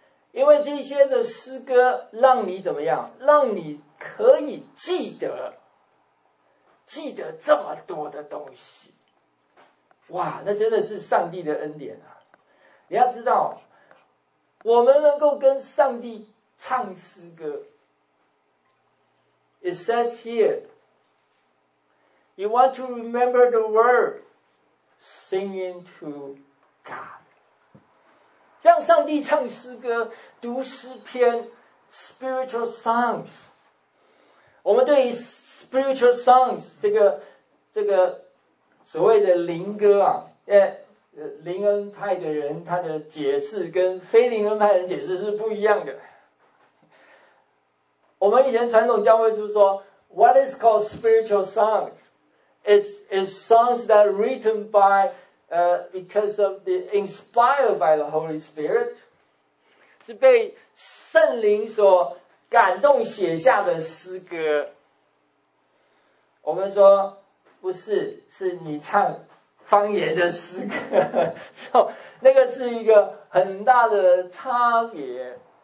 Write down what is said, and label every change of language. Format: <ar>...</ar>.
<zh>因为这些的诗歌让你怎么样？让你可以记得，记得这么多的东西。哇，那真的是上帝的恩典啊。你要知道，我们能够跟上帝唱诗歌。</zh> <en>It says here, you want to remember the word, singing to God.</en> <zh>向上帝唱诗歌，读诗篇 ,spiritual songs. 我们对于 spiritual songs, 这个所谓的灵歌啊，灵恩派的人他的解释跟非灵恩派的人解释是不一样的。我们以前传统教会就是说</zh> <en>What is called spiritual songs? It's songs that are written by because of the inspired by the Holy Spirit.</en> <zh>是被圣灵所感动写下的诗歌。我们说不是，是你唱方言的诗歌，</zh> <en>so,</en> <zh>那个是一个很大的差别。</zh>